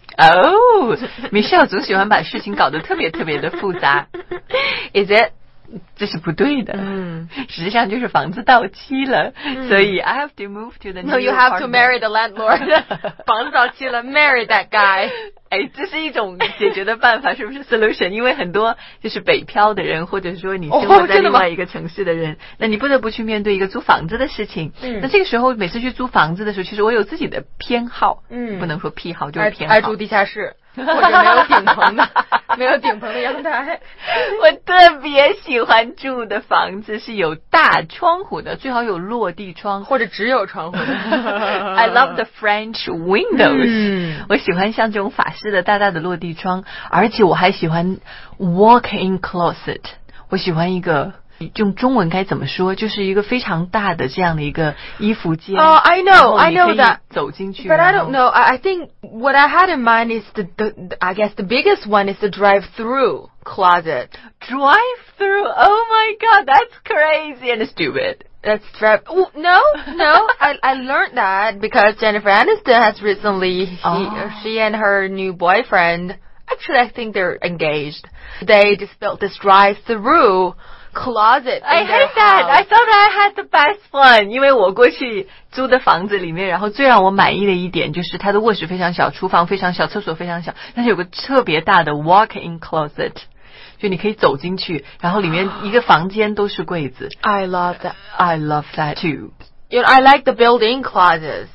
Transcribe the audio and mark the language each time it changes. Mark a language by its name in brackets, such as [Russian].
[Chinese] Oh, Michelle 总喜欢把事情搞得特别特别的复杂。 [English] Is it? [Chinese] 这是不对的。实际上就是房子到期了，所以 [English] I have to move to the new apartment. No, you have to marry the landlord. [Chinese] 房子到期了 ， [English] marry that guy. [Chinese] 哎，这是一种解决的办法，是不是 solution？因为很多就是北漂的人，或者说你生活在另外一个城市的人，那你不得不去面对一个租房子的事情。那这个时候，每次去租房子的时候，其实我有自己的偏好，不能说癖好，就是偏好。爱住地下室，或者没有顶棚的，没有顶棚的阳台。我特别喜欢住的房子是有大窗户的，最好有落地窗，或者只有窗户的。 [English] I love the French windows。 [Chinese] 我喜欢像这种法。是的，大大的落地窗，而且我还喜欢 walk-in closet。我喜欢一个，用中文该怎么说，就是一个非常大的这样的一个衣服间。 [English] Oh, I know, I know that. [Chinese] 走进去。 [English] But I don't know, I think what I had in mind is I guess the biggest one is the drive-through closet. Drive-through, oh my god, that's crazy and stupid. That's trap. No, no. I learned that because Jennifer Aniston has recently, she and her new boyfriend, actually I think they're engaged. They just built this drive-through closet. I hate that. I thought I had the best one. [Chinese] 因为我过去租的房子里面，然后最让我满意的一点就是它的卧室非常小，厨房非常小，厕所非常小，但是有个特别大的 walk-in closet. 就你可以走进去，然后里面一个房间都是柜子。 [English] I love that. I love that too. You know, I like the built-in closets.